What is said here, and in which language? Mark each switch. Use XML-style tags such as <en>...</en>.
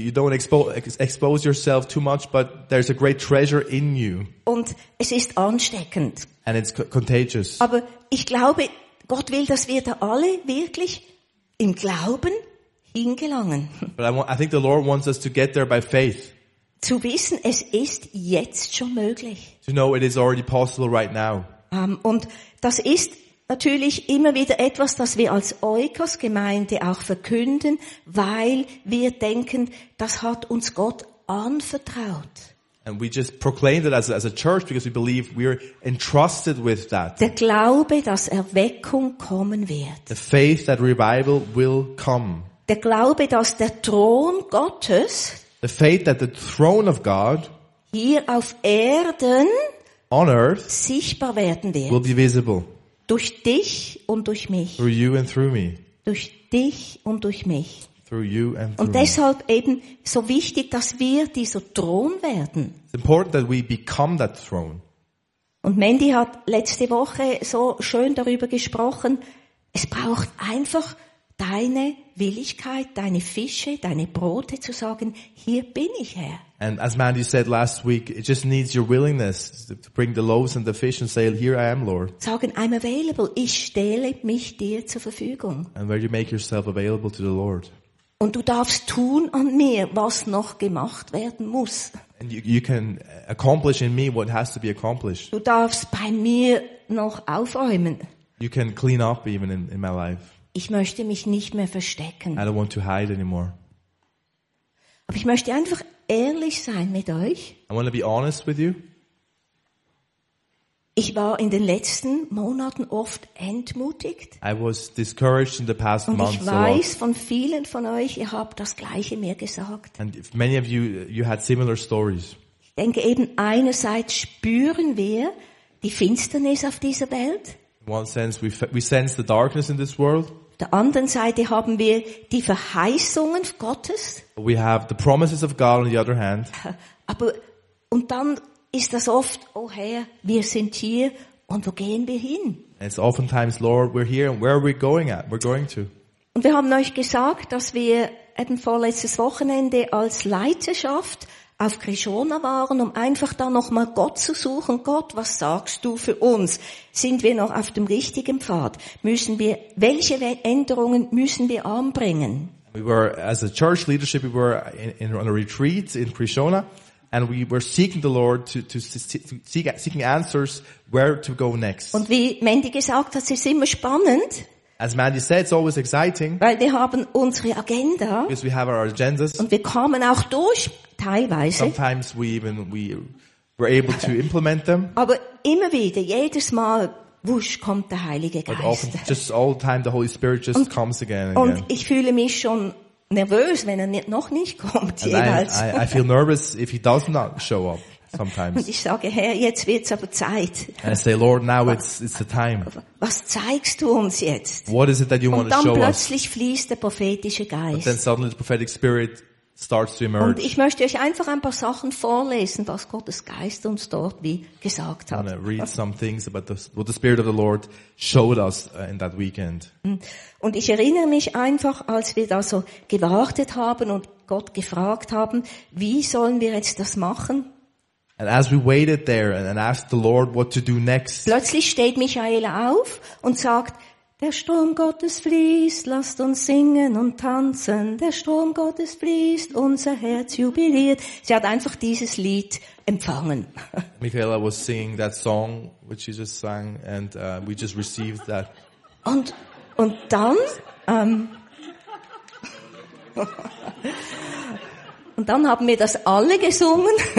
<en>You don't expose yourself too much, but there's a great treasure in you.</en> <de>Und es ist ansteckend.</de> <en>And it's contagious.</en> <de>Aber ich glaube, Gott will, dass wir da alle wirklich im Glauben hingelangen.</de> <en>But I think the Lord wants us to get there by faith.</en> <de>Zu wissen, es ist jetzt schon möglich.</de> <en>To know it is already possible right now.</en> <de>Und das ist natürlich immer wieder etwas, das wir als Oikos-Gemeinde auch verkünden, weil wir denken, das hat uns Gott anvertraut.</de> <en>And we just proclaim that as a church because we believe we are entrusted with that.</en> <de>Der Glaube, dass Erweckung kommen wird.</de> <en>The faith that revival will come.</en> <de>Der Glaube, dass der Thron Gottes</de> <en>the faith that the throne of God</en> <de>hier auf Erden</de> <en>on earth</en> <de>sichtbar werden wird.</de> <en>Will be visible.</en> <de>Durch dich und durch mich.</de> <en>Through you and through me.</en> <de>Durch dich und durch mich.</de> <en>Through you and through</en> <de>und deshalb eben so wichtig, dass wir dieser Thron werden.</de> <en>It's important that we become that throne.</en> <de>Und Mandy hat letzte Woche so schön darüber gesprochen, es braucht einfach deine Willigkeit, deine Fische, deine Brote zu sagen, hier bin ich, Herr.</de> <en>And as Mandy said last week, it just needs your willingness to bring the loaves and the fish and say, here I am, Lord.</en> <de>Sagen,</de> <en>I'm available,</en> <de>ich stelle mich dir zur Verfügung.</de> <en>And where you make yourself available to the Lord.</en> <de>Und du darfst tun an mir, was noch gemacht werden muss.</de> <en>And you can accomplish in me what has to be accomplished.</en> <de>Du darfst bei mir noch aufräumen.</de> <en>You can clean up even in my life.</en> <de>Ich möchte mich nicht mehr verstecken.</de> <en>I don't want to hide anymore.</en> <de>Aber ich möchte einfach ehrlich sein mit euch.</de> <en>I want to be honest with you.</en> <de>Ich war in den letzten Monaten oft entmutigt.</de> <en>I was discouraged in the past months.</en> <de>Und ich weiß von vielen von euch, ihr habt das Gleiche mir gesagt.</de> <en>And many of you had similar stories.</en> <de>Ich denke eben einerseits spüren wir die Finsternis auf dieser Welt.</de> <en>In one sense we sense the darkness in this world.</en> <de>Auf der anderen Seite haben wir die Verheißungen Gottes.</de> <en>We have the promises of God on the other hand.</en> <de>Aber und dann ist das oft, oh Herr, wir sind hier und wo gehen wir hin?</de> <en>It's oftentimes, Lord, we're here and where are we going at? We're going to.</en> <de>Und wir haben euch gesagt, dass wir eben vorletztes Wochenende als Leiterschaft auf Krishona waren, um einfach da nochmal Gott zu suchen. Gott, was sagst du für uns? Sind wir noch auf dem richtigen Pfad? Müssen wir, welche Änderungen müssen wir anbringen?</de> <en>We were, as a church leadership, we were on a retreat in Krishona. And we were seeking the Lord seeking answers where to go next.</en> <de>Und wie Mandy gesagt hat, ist immer spannend.</de> <en>As Mandy said, it's always exciting.</en> <de>Weil wir haben unsere Agenda.</de> <en>Because we have our agendas.</en> <de>Und wir kommen auch durch, teilweise.</de> <en>Sometimes we were able to implement them.</en> <de>Aber immer wieder, jedes Mal, wusch, kommt der Heilige Geist.</de> <en>But often, just all the time, the Holy Spirit just comes again.</en> <de>Und ich fühle mich schon nervös, wenn er noch nicht kommt, jeweils.</de> <en>I feel nervous if he does not show up sometimes.</en> <de>Und ich sage, Herr, jetzt wird's aber Zeit.</de> <en>And I say, Lord, now it's the time.</en> <de>Was zeigst du uns jetzt?</de> <en>What is it that you want to show us?</en> <de>Und dann plötzlich fließt der prophetische Geist.</de> <en>But then suddenly the prophetic spirit starts to emerge.</en> <de>Und ich möchte euch einfach ein paar Sachen vorlesen, was Gottes Geist uns dort wie gesagt hat.</de> <en>I'm gonna read some things about what the Spirit of the Lord showed us in that weekend.</en> <de>Und ich erinnere mich einfach, als wir da so gewartet haben und Gott gefragt haben, wie sollen wir jetzt das machen?</de> <en>And as we waited there and asked the Lord what to do next.</en> <de>Plötzlich steht Michael auf und sagt, der Strom Gottes fließt, lasst uns singen und tanzen. Der Strom Gottes fließt, unser Herz jubiliert. Sie hat einfach dieses Lied empfangen.</de> <en>Michaela was singing that song, which she just sang, and we just received that.</en> <de>Und dann, und dann haben wir das alle gesungen.</de>